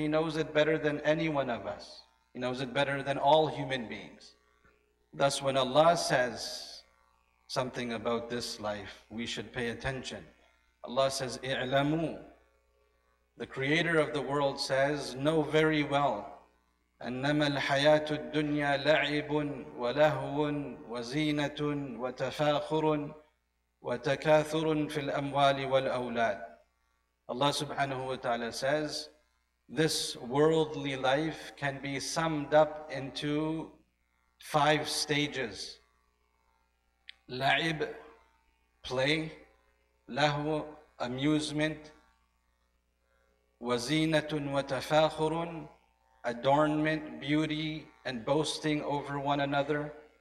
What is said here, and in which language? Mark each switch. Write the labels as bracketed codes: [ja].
[en] He knows it better than any one of us. He knows it better than all human beings. Thus, when Allah says something about this life, we should pay attention. Allah says, [ar] اِعْلَمُ. [en] The creator of the world says, know very well. [ar] أنما الحياة الدنيا لعب ولهو وزينة وتفاخر وتكاثر في الأموال والأولاد. [en] Allah subhanahu wa ta'ala says, this worldly life can be summed up into five stages. [ar] لعب, [en] play, [ar] لهو, [en] amusement, [ar] وزينة وتفاخر, [en] adornment, beauty, and boasting over one another.